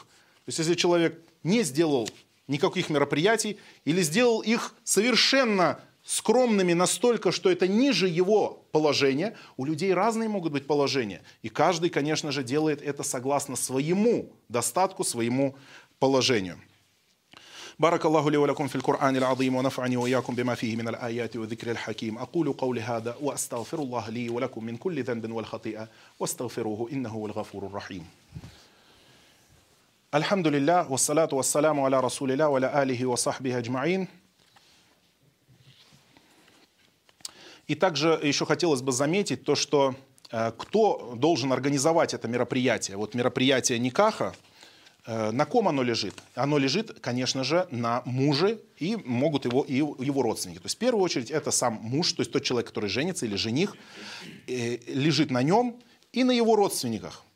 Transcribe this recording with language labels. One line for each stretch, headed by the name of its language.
Russian: То есть если человек не сделал никаких мероприятий или сделал их совершенно скромными настолько, что это ниже его положения, у людей разные могут быть положения. И каждый, конечно же, делает это согласно своему достатку, своему положению.
Arabic: بارك الله لي ولكم في القرآن العظيم ونفعني وإياكم بما فيه من الآيات وذكر الحكيم أقول قولي هذا وأستغفر الله لي ولكم من كل ذنب والخطيئة واستغفروه إنه هو الغفور الرحيم الحمد لله والصلاة والسلام على رسول الله وعلى آله وصحبه أجمعين.
Russian: И также еще хотелось бы заметить то, что кто должен организовать это мероприятие, вот мероприятие никаха. На ком оно лежит? Оно лежит, конечно же, на муже и могут его, и его родственники. То есть в первую очередь это сам муж, то есть тот человек, который женится, или жених, лежит на нем и на его родственниках.